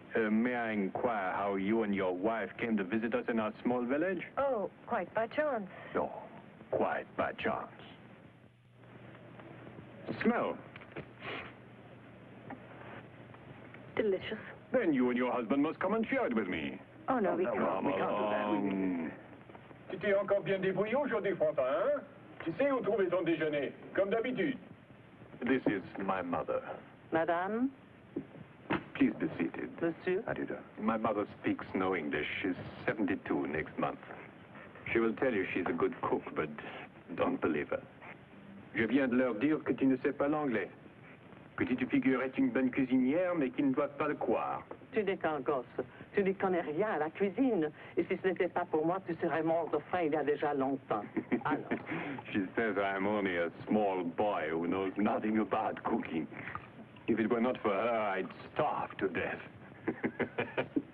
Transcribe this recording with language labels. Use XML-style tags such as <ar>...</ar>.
<en>May I inquire how you and your wife came to visit us in our small village? Oh, quite by chance. No, quite by chance. Smell. Delicious. Then you and your husband must come and share it with me. Oh, no, we can't do that.</en> <fr>Tu t'es encore bien débrouillé aujourd'hui, Fantin, hein? Tu sais où trouver ton déjeuner, comme d'habitude.</fr> <en>This is my mother.</en> <fr>Madame?</fr> <en>Please be seated.</en> <fr>Monsieur?</fr> <en>How do you do? My mother speaks no English. She's 72 next month. She will tell you she's a good cook, but don't believe her.</en> <fr>Je viens de leur dire que tu ne sais pas l'anglais. Que tu te figurais une bonne cuisinière, mais qu'ils ne doivent pas le croire. Tu n'es qu'un gosse. Tu n'y connais rien à la cuisine. Et si ce n'était pas pour moi, tu serais mort de faim il y a déjà longtemps. Alors.</fr> <en>She says I'm only a small boy who knows nothing about cooking. If it were not for her, I'd starve to death.</en>